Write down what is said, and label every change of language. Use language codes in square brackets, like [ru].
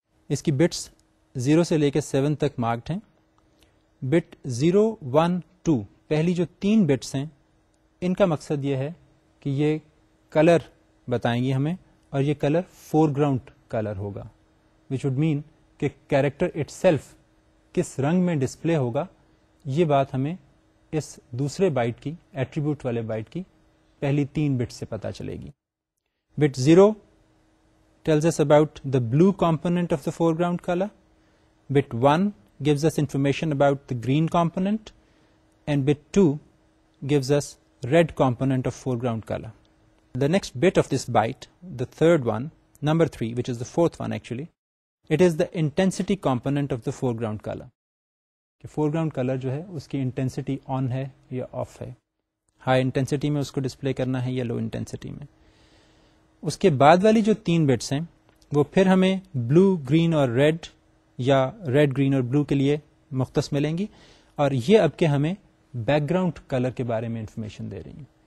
[ur] اس کی بٹس 0 سے لے کے 7 تک مارکڈ ہیں. بٹ 0, 1, 2 پہلی جو 3 بٹس ہیں ان کا مقصد یہ ہے کہ یہ کلر بتائیں گی ہمیں, اور یہ کلر فور گراؤنڈ کلر ہوگا, [en] which would mean کہ character itself [ur] کس رنگ میں ڈسپلے ہوگا یہ بات ہمیں اس دوسرے بائٹ کی ایٹریبیوٹ والے بائٹ کی پہلی 3 بٹ سے پتا چلے گی. [en] bit 0 tells us about the blue component of the foreground color, bit 1 gives us information about the green component, and bit 2 gives us red component of foreground color. The next bit of this byte, the third one, number 3, which is the fourth one actually, it is the intensity component of the foreground color. [ur] فورگراؤنڈ colour جو ہے اس کی intensity آن ہے یا of ہے, high intensity میں اس کو display کرنا ہے یا لو انٹینسٹی میں. اس کے بعد والی جو تین بٹس ہیں وہ پھر ہمیں بلو گرین اور ریڈ یا ریڈ گرین اور بلو کے لیے مختص ملیں گی, اور یہ اب کے ہمیں بیک گراؤنڈ کلر کے بارے میں انفارمیشن دے رہی ہیں.